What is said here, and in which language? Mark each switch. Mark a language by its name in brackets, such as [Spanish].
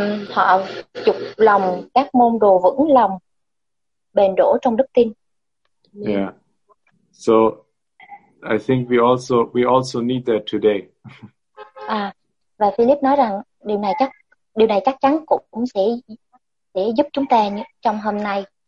[Vietnamese] Họ chúc lòng các môn đồ vững lòng bền đổ trong đức tin. [English] Yeah. So I think we also need that today. [Vietnamese] Và Philip nói rằng điều này chắc chắn cũng sẽ giúp chúng ta trong hôm nay.